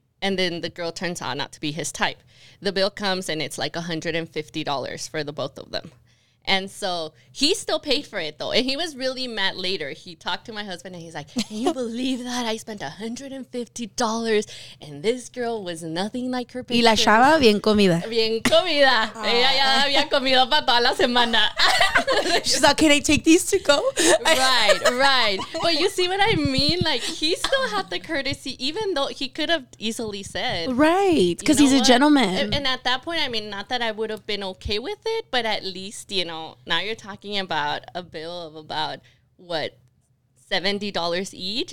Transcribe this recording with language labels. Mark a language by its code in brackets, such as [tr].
[en] And then the girl turns out not to be his type. The bill comes, and it's like $150 for the both of them. And so he still paid for it, though. And he was really mad later. He talked to my husband, and he's like, can you believe that? I spent $150, and this girl was nothing like her picture. [es] Y la chava bien comida. Bien comida. Aww. Ella ya había comido para toda la semana. [en] She's like, can I take these to go? Right, right. But you see what I mean? Like, he still had the courtesy, even though he could have easily said. Right, because he's a gentleman. And at that point, I mean, not that I would have been okay with it, but at least, you know, now you're talking about a bill of about, what, $70 each?